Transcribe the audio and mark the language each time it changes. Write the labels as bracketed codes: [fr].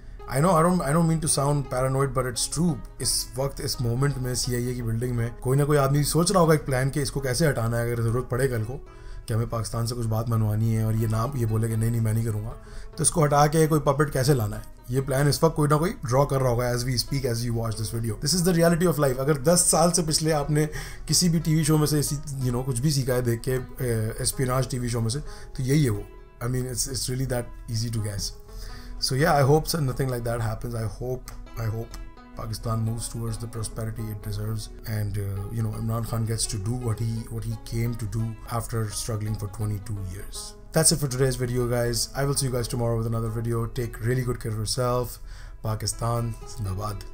[en] I don't mean to sound paranoid, but it's true, [ur] is waqt is moment mein CIA ki building mein koi na koi aadmi soch raha hoga ek plan ke isko kaise hatana hai agar zarurat pade kal ko, کہ ہمیں پاکستان سے کچھ بات منوانی ہے اور یہ نام یہ بولے کہ نہیں نہیں میں نہیں کروں گا, تو اس کو ہٹا کے کوئی پپٹ کیسے لانا ہے. یہ پلان اس وقت کوئی نہ کوئی ڈرا کر رہا ہوگا [en] As we speak, as you watch this video. This is the reality of life. [ur] اگر 10 سال سے پچھلے آپ نے کسی بھی ٹی وی شو میں سے یو نو کچھ بھی سیکھا ہے دیکھ کے اسپیناج ٹی وی شو میں سے, تو یہی ہے وہ. [en] I mean it's really that easy to guess. So yeah I hope sir nothing like that happens. I hope Pakistan moves towards the prosperity it deserves, and you know, Imran Khan gets to do what he came to do after struggling for 22 years. That's it for today's video, guys. I will see you guys tomorrow with another video. Take really good care of yourself. Pakistan, Zindabad.